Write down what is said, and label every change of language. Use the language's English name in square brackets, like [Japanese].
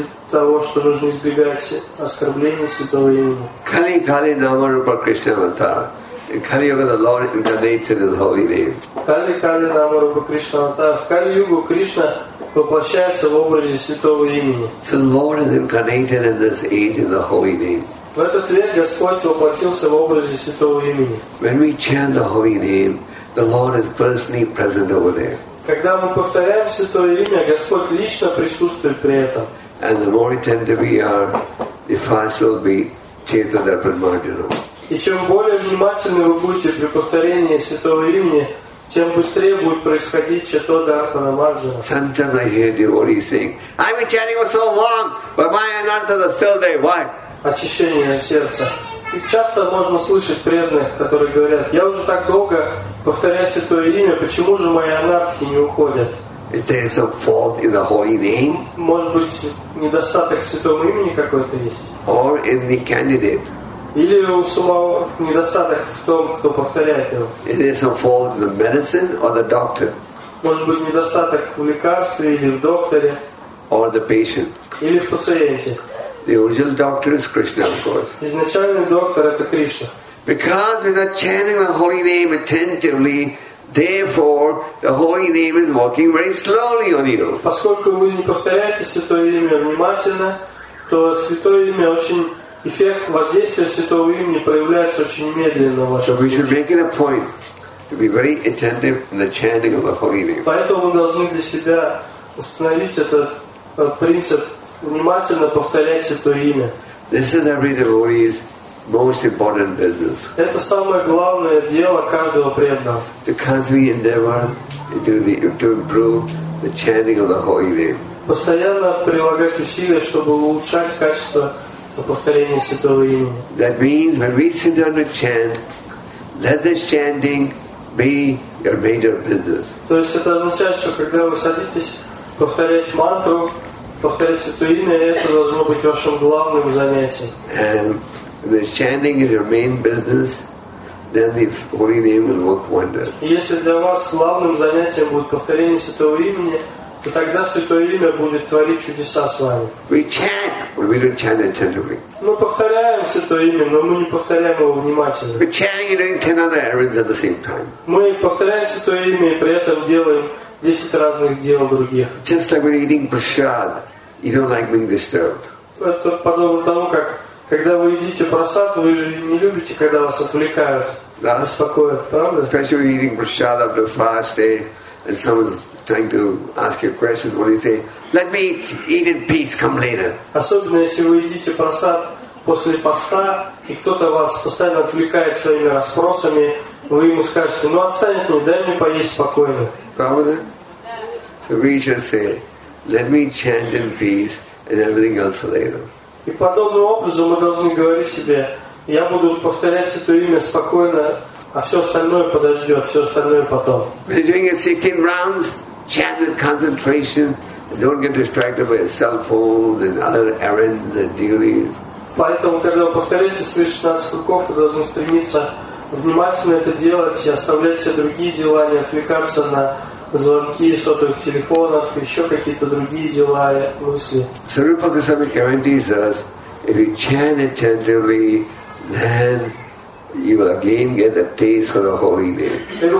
[Russian] того, что нужно избегать оскорблений святого имени. [Sanskrit] Kali Kali Nama Rupa Krishna Avatar. [English] Kali Yuga, the Lord incarnates in His holy name. [Sanskrit] Kali Kali Nama Rupa Krishna Avatar. [Russian] В Kali Yuga Krishna воплощается в образе святого имени. [English] So the Lord is incarnated in this age in the holy name. [Russian] В этот век Господь воплотился в образе святого имени. [English] When we chant the holy name, the Lord is personally present over there. [Russian] Когда мы повторяем святое имя, Господь лично присутствует при этом. [English] And the more attentive we are, the faster will be Chaitanya-darpan-marjana. [Russian] И чем более внимательны вы будете при повторении святого имени, тем быстрее будет происходить Чаитанья-дарпана-марджана. [English] Sometimes I hear devotees saying, I've been chanting for so long, but my anarthas are still there. Why? [Russian] Очищение сердца. И часто можно слышать преданных, которые говорят, я уже так долго повторяю святое имя, почему же мои анархи не уходят? [English] Is there some fault in the holy name? [Russian] Может быть, недостаток в святом имени какой-то есть? [English] Or in the candidate? [Russian] Или у самого недостаток в том, кто повторяет его? [English] Is there some fault in the medicine or the doctor? [Russian] Может быть, недостаток в лекарстве или в докторе? [English] Or the patient? [Russian] Или в пациенте? [English] The original doctor is Krishna, of course. [Russian] Изначальный доктор это Кришна. [English] Because we're not chanting the holy name attentively, therefore the holy name is working very slowly on you. [Russian] Поскольку вы не повторяете святое имя внимательно, то святое имя очень эффект воздействия святого имени проявляется очень медленно. [English] So we should make it a point to be very attentive in the chanting of the holy name. [Russian] Поэтому мы должны для себя установить этот принцип. Внимательно повторять святое имя. [English] This is every devotee's most important business. [Russian] Это самое главное дело каждого преданного. [English] To constantly endeavor to improve the chanting of the holy name. [Russian] Постоянно прилагать усилия, чтобы улучшать качество повторения святого имени. [English] That means when we sit down to chant, let this chanting be your major business. [Russian] То есть это означает, что когда вы садитесь повторять мантру. Повторить святое имя, это должно быть вашим главным занятием. [English] The chanting is your main business, then the holy name will work wonders. [Russian] Если для вас главным занятием будет повторение святого имени, то тогда святое имя будет творить чудеса с вами. [English] We chant, but we don't chant attentively. [Russian] Мы повторяем святое имя, но мы не повторяем его внимательно. [English] We're chanting and doing 10 other errands at the same time. [Russian] Мы повторяем святое имя и при этом делаем 10 разных дел других. [English] Just like when eating prasad, you don't like being disturbed. [Russian] Это подобно тому, как когда вы едите прасад, вы же не любите, когда вас отвлекают, беспокоят, правда? [English] Especially when you're eating prasad after fast day, and someone's trying to ask you questions, what do you say? Let me eat in peace. Come later. [Russian] Особенно если вы едите прасад после поста и кто-то вас постоянно отвлекает своими расспросами, вы ему скажете: "Ну отстань, ну дай мне поесть спокойно." [English] So we should say, let me chant in peace and everything else later. [Russian] И подобным образом мы должны говорить себе, я буду повторять святое имя спокойно, а все остальное подождет, все остальное потом. [English] When you're doing it 16 rounds, chant with concentration, and don't get distracted by your cell phones and other errands and duties. [Russian] Поэтому, когда вы повторяете свои 16 кругов, вы должны стремиться внимательно это делать и оставлять все другие дела, не отвлекаться на звонки сотовых телефонов, еще какие-то другие дела и мысли. [English] So Rupa Goswami guarantees us, if you chant attentively, then you will again get a taste for the holy name.